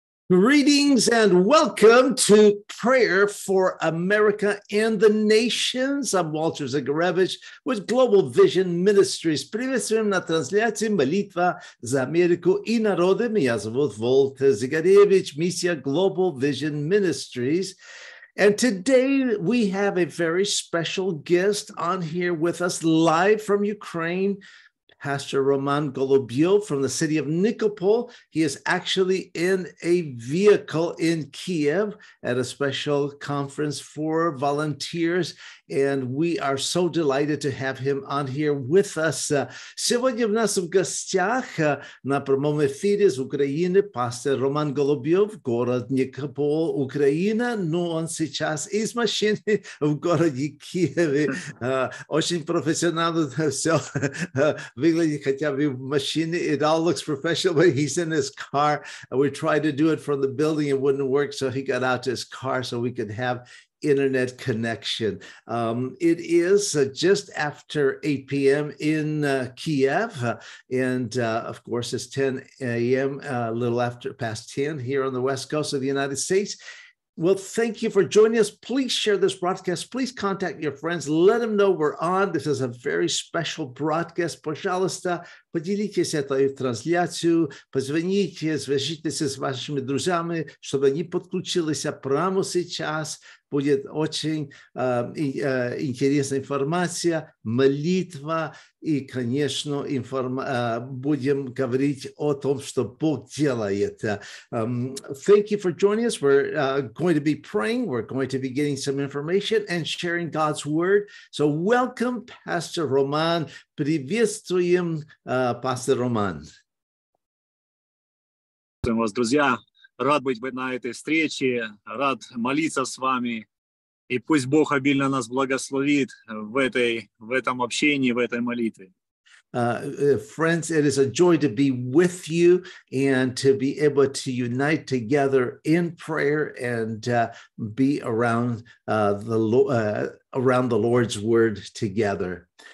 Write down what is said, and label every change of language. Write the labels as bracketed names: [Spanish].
[English] Greetings and welcome to Prayer for America and the Nations. I'm Walter Zygarewicz with Global Vision Ministries. [Russian] Приветствуем на трансляции молитва за Америку и народы. Меня зовут Walter Zygarewicz, миссия Global Vision Ministries. [English] And today we have a very special guest on here with us live from Ukraine, Pastor Roman Golubev from the city of Nikopol. He is actually in a vehicle in Kiev at a special conference for volunteers. And we are so delighted to have him on here with us. [Russian] Сегодня в нас в гостях на прямом эфире из Украины пастор Роман Голубев, город Никопол, Украина. Но он сейчас из машины в городе Киеве. Очень профессионально все выглядит, хотя в машине. [English] It all looks professional, but he's in his car. We tried to do it from the building. It wouldn't work, so he got out to his car so we could have internet connection. It is just after 8 p.m. in Kiev, and of course it's 10 a.m., a little after past 10 here on the west coast of the United States. Well, thank you for joining us. Please share this broadcast. Please contact your friends. Let them know we're on. This is a very special broadcast. [Russian] Пожалуйста, поделитесь этой трансляцией. Позвоните, свяжитесь с вашими друзьями, чтобы они подключились прямо сейчас. Будет очень интересная информация, молитва. И, конечно, будем говорить о том, что Бог делает. [English] Thank you for joining us. We're going to be praying. We're going to be getting some information and sharing God's word. So welcome, Pastor Roman. [Russian] Приветствуем, Пастор Роман. Приветствуем вас, друзья. Рад быть на этой встрече. Рад молиться с вами. И пусть Бог обильно нас благословит в этом общении, в этой молитве. [English] Friends, it is a joy to be with you and to be able to unite together in prayer and be around around the Lord's word together.